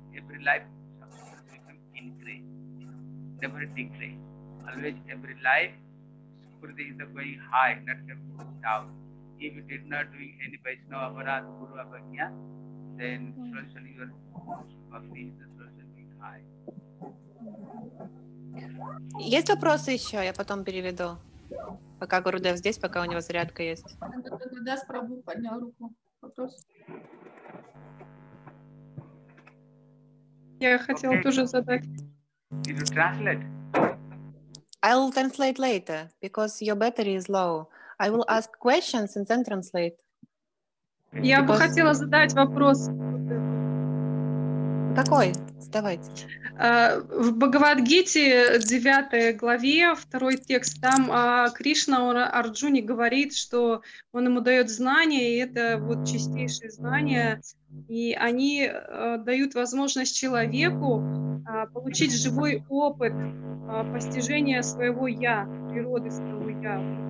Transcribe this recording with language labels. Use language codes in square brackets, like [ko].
[en] Every life becomes increase, never decrease. Always every life, Sukruti is going high, not going down. If you did not do any Vaishnava Varad Guru Abhagya, then slowly your bhakti is slowly being high. [ru] Есть вопросы еще? Я потом переведу. Пока Гурудев здесь, пока у него зарядка есть. Да, спробую, поднял руку. Вопрос. Я хотела тоже задать. [en] Did you translate? I'll translate later, because your battery is low. I will ask questions and then translate. [ru] Я бы хотела задать вопрос. Какой? Задавайте. В Бхагавадгите, 9 главе, 2 текст, там Кришна Арджуне говорит, что он ему дает знания, и это вот чистейшие знания, и они дают возможность человеку получить живой опыт постижения своего «я», природы своего «я».